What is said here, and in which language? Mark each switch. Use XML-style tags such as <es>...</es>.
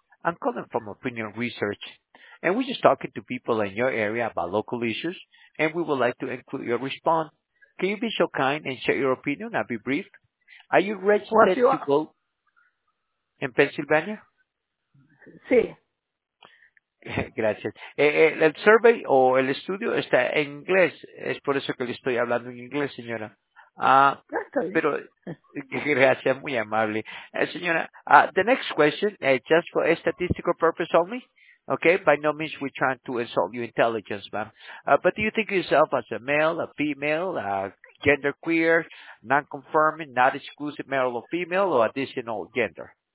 <en>I'm calling from Opinion Research, and we're just talking to people in your area about local issues, and we would like to include your response. Can you be so kind and share your opinion? I'll be brief. Are you registered to vote in Pennsylvania?</en> <es>Sí. Gracias. El survey o el estudio está en inglés. Es por eso que le estoy hablando en inglés, señora. Pero gracias, muy amable.</es> <en>Señora, the next question, just for a statistical purpose only, okay? By no means we're trying to insult your intelligence, ma'am. But do you think of yourself as a male, a female, genderqueer, non-confirming, not exclusive male or female, or additional gender?</en>